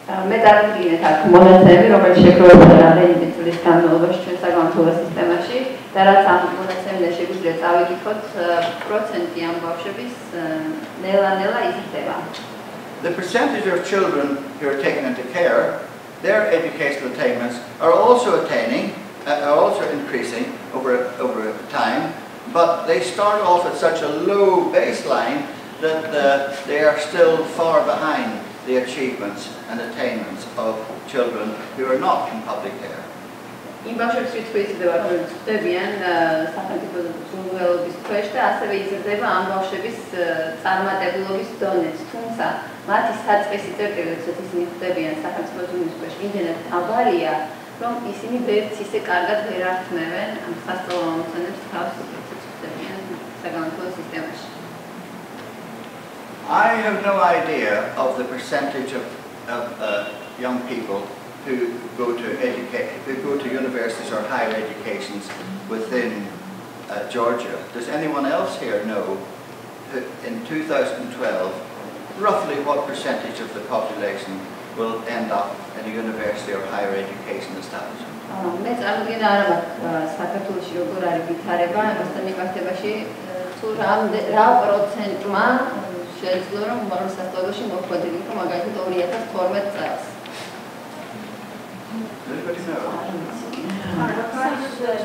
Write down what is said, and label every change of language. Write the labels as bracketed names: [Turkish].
[Georgian] მე დავიწყეთ აქ მონაცემები, რომელიც შეგროვებული რამდენიმე წლის განმავლობაში ჩვენ საგანმანათლებლო სისტემაში და რაც ამ მონაცემებზე შეგვიძლია წავიკითხოთ, პროცენტი ამ ბავშვების ნელა-ნელა იზრდება. [English] The percentage of children who are taken into care, their educational attainments are also attaining, are also increasing over time, but they start off at such a low baseline that they are still far behind the achievements and attainments of children who are not in public care. [Georgian] იმ ბავშვებს ვიტყვით, რომ ხდებიან სახელმწიფო ზრუნველობის ქვეშ და ასევე იზრდება ამ ბავშვების წარმატებულობის დონეც, თუმცა მათი საწყისი წერტილი, როდესაც ისინი ხდებიან სახელმწიფო ზრუნველობის ქვეშ, იმდენად დაბალია, რომ ისინი ვერც ისე კარგად ვერ ართმევენ ამ სასწავლო მოცანებს თავს, როდესაც ხდებიან საგანმანათლებლო სისტემაში. [English] I have no idea of the percentage of young people who go to university or higher educations within Georgia. Does anyone else here know in 2012 roughly what percentage of the population will end up in a university or higher education establishment? [Georgian] მე წარმოგიდგენ არა მაქვს საქართველოში როგორ არის ვითარება ამასთან მიმართებაში თუ რა პროცენტმა შეიძლება რომ უმაღლეს სასწავლებელში მოხვედრილ იქნა მაგალითად 2012 წელს.